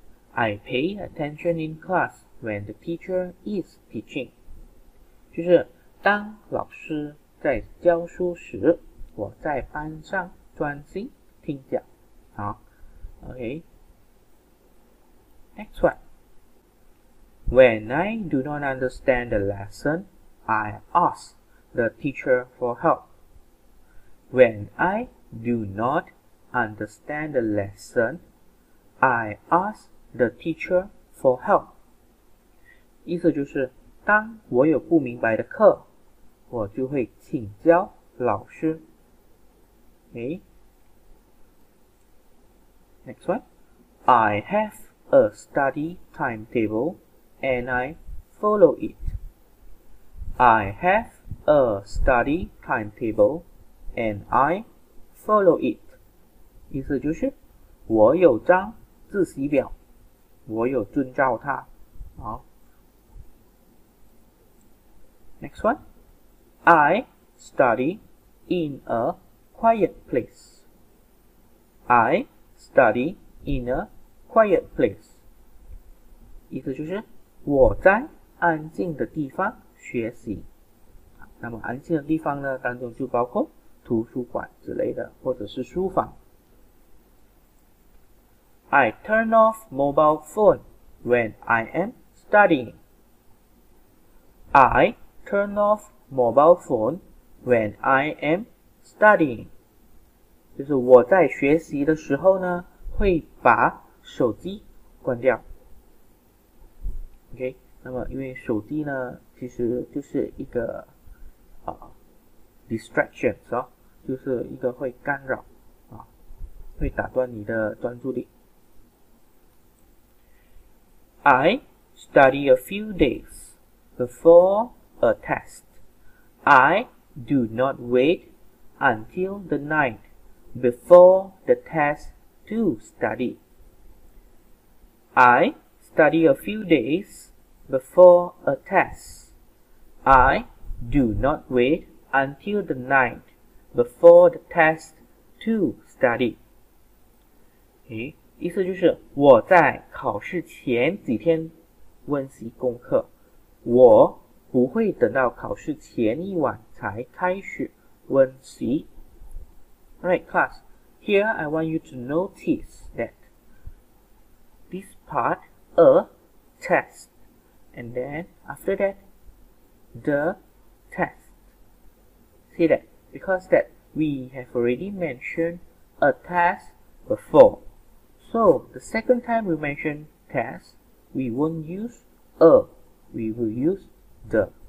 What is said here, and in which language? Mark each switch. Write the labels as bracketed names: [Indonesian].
[English] I pay attention in class when the teacher is teaching [Chinese] 就是当老师在教书时我在班上专心听讲好 [English] OK Next oneWhen I do not understand the lesson, I ask the teacher for help. When I do not understand the lesson, I ask the teacher for help. [Chinese] 意思就是，当我有不明白的课，我就会请教老师。 [English] Okay. Next one. I have a study timetable. And I follow it. I have a study timetable and I follow it. [Chinese] 意思就是我有张自习表我有遵照它好 [English] Next one. I study in a quiet place. I study in a quiet place. [Chinese] 意思就是我在安静的地方学习。那么安静的地方呢，当中就包括图书馆之类的，或者是书房。 [English] I turn off mobile phone when I am studying. I turn off mobile phone when I am studying. [Chinese] 就是我在学习的时候呢，会把手机关掉。 OK， 那么因为手机呢，其实就是一个distraction 是吧？就是一个会干扰啊，会打断你的专注力。 [English] I study a few days before a test. I do not wait until the night before the test to study. I study a few days before a test. I do not wait until the night before the test to study. Okay. [Chinese] 意思就是我在考试前几天温习功课，我不会等到考试前一晚才开始温习。 [English] Alright class, here I want you to notice that this part, a test, and then after that, the test. See that? Because that we have already mentioned a test beforeSo, the second time we mention test, we won't use a, we will use the.